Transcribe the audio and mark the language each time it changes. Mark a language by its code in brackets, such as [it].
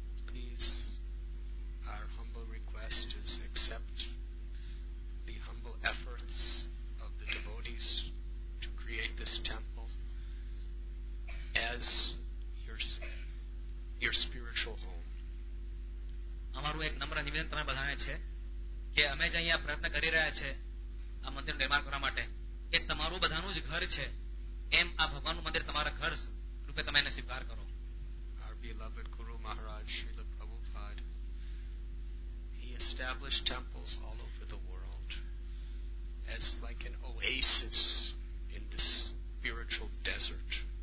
[en] Please, our humble request is accept the humble efforts of the devotees to create this temple as your spiritual home. [gu] અમારું એક નમ્ર નિવેદન તમે બધાને છે કે અમે જે અહીંયા પ્રયત્ન કરી રહ્યા છે આ મંદિર નિર્માણ કરવા માટે એ તમારું બધાનું જ ઘર છે એમ આ ભગવાનનું મંદિર તમારા ઘર રૂપે તમે એને સ્વીકાર કરો. [en] Our beloved Guru Maharaj Srila Prabhupada, he established temples all over the world as like an oasis in this spiritual desert.